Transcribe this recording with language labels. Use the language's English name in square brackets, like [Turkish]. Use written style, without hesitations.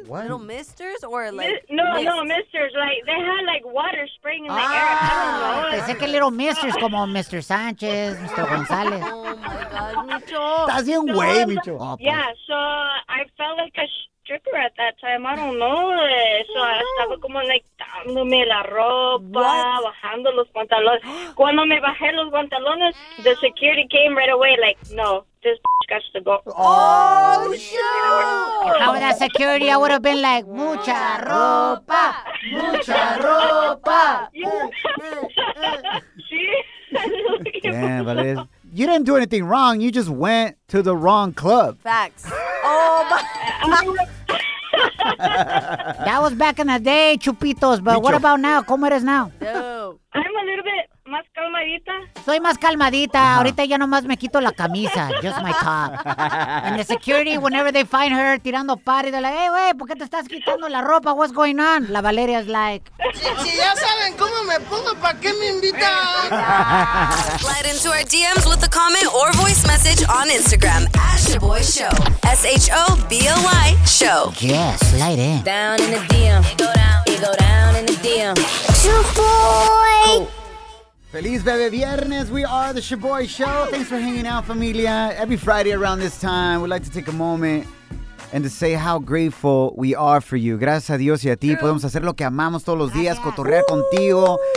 [English] What? Little misters or like... No, misters. Like they had like water spraying in the air. I don't know. [Spanish] Pensé que [English] little misters [Spanish] como Mr. Sanchez, Mr. González. [English] Oh my God, Micho. [Spanish] Estás bien güey, Micho. [English] Yeah, so I felt like a stripper at that time. I don't know. So I [Spanish] estaba como like dándome la ropa, bajando los pantalones. Cuando me bajé los pantalones, [English] the security came right away like, no. Oh, shoot! How that security, I would have been like, [Spanish] mucha ropa, mucha ropa. [English] Damn, Valeria. You didn't do anything wrong. You just went to the wrong club. Facts. That was back in the day, Chupitos, but what about now? [Spanish] ¿Cómo eres now? [English] I'm a little bit... [Spanish] más calmadita. Soy más calmadita. Uh-huh. Ahorita ya nomás me quito la camisa. [English] Just my top. And the security, whenever they find her tirando party, they're like, hey, wey, [Spanish] ¿por qué te estás quitando la ropa? [English] What's going on? La Valeria's like, [Spanish] si ya saben cómo me pongo, ¿para qué me invitan? [English] Slide into our DMs with a comment or voice message on Instagram at Shoboy Show. S-H-O-B-O-Y Show. Yeah, slide in. Down in the DM. Shoboy. Cool. [Spanish] Feliz Bebe Viernes. [English] We are the Shoboy Show. Thanks for hanging out, familia. Every Friday around this time, we'd like to take a moment and to say how grateful we are for you. [Spanish] Gracias a Dios y a ti. Podemos hacer lo que amamos todos los días, cotorrear contigo.